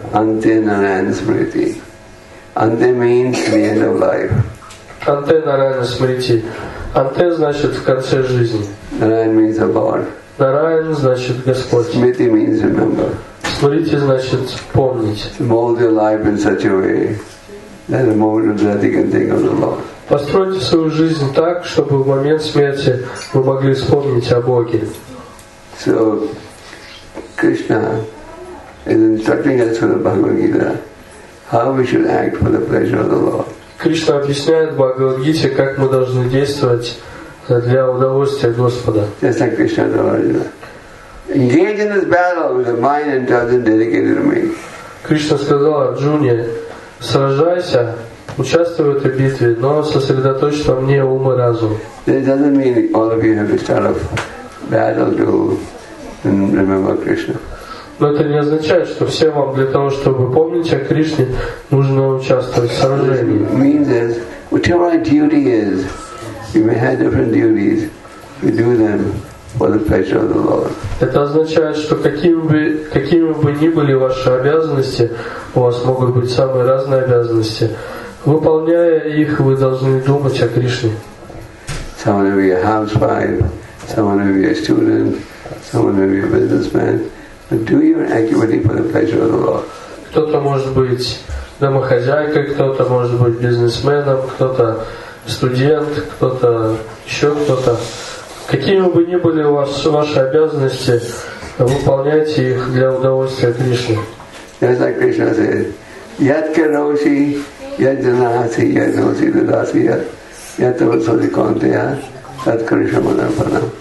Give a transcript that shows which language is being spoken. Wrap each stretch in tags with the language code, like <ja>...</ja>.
<sa>Ante Narayana Smriti.</sa> <en>Ante means the end of life.</en> <sa>Ante Narayana Smriti.</sa> <ru>Ante значит в конце жизни.</ru> <en>Narayana means the Lord.</en> <ru>Narayana значит Господь.</ru> <en>Smriti means remember.</en> <ru>Смотрите, значит, помнить.</ru> <en>Mold your life in such a way that the moment of death you can think of the Lord.</en> <ru>Постройте свою жизнь так, чтобы в момент смерти вы могли вспомнить о Боге.</ru> <en>So Krishna is instructing us for the Bhagavad Gita how we should act for the pleasure of the Lord.</en> <ru>Кришна объясняет Бхагавад Гите, как мы должны действовать для удовольствия Господа.</ru> <en>Just like Krishna told us. Engage in this battle with a mind and intelligence dedicated to me.</en> <ru>Кришна сказал Арджуне, сражайся, участвуй в этой битве, но сосредоточься во мне ум и разум.</ru> <en>This doesn't mean all of you have to start a battle to remember Krishna.</en> <ru>Но это не означает, что все вам для того, чтобы помнить о Кришне, нужно участвовать в сражении.</ru> <en>It means that whatever our duty is, we may have different duties, we do them. For the pleasure of the Lord.</en> <ru>Это означает, что какими бы ни были ваши обязанности, у вас могут быть самые разные обязанности. Выполняя их, вы должны думать о Кришне.</ru> <en>Someone will be a housewife, someone will be a student, someone will be a businessman. But do your activity for the pleasure of the Lord.</en> <ru>Кто-то может быть домохозяйкой, кто-то может быть бизнесменом, кто-то студент, кто-то еще кто-то. Какими бы ни были ваши обязанности, выполняйте их для удовольствия Кришны.</ru> <en>Yes, like Krishna says,</en> <sa>Yat Karoshi, Yat Janasi, Yat Noshi, Dadasi, Yat, Yat Vasodhi Kantaya, Yat Krishna Manapana.</sa>